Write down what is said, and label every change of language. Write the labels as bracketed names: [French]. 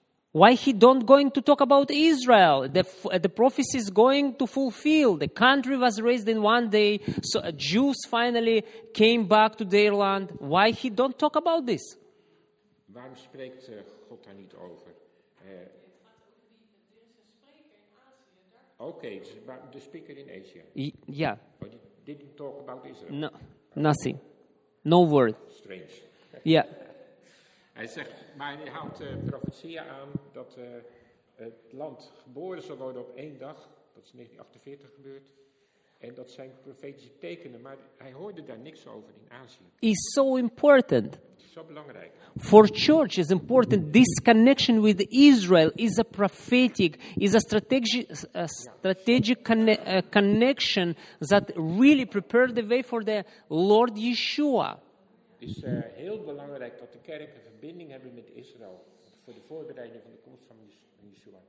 [English] Why he don't going to talk about Israel? The prophecy is going to fulfill. The country was raised in one day. So Jews finally came back to their land. Why he don't talk about this? [Dutch] Waarom spreekt God daar niet over? [English] Okay, the speaker in Asia. Yeah. But he didn't talk about Israel. No, nothing. No word. Strange. Yeah. [Dutch] Hij zegt, maar hij houdt profetieën aan dat het land geboren zal worden op één dag. Dat is 1948 gebeurd. En dat zijn profetische tekenen, maar hij hoorde daar niks over in Azië. [English] Is so important. [Dutch] Zo belangrijk. [English] For church is important. This connection with Israel is a prophetic, is a strategic connection that really prepared the way for the Lord Yeshua. [Dutch] Het is heel belangrijk dat de kerk een verbinding hebben met Israël voor de voorbereiding van de komst van Yeshua.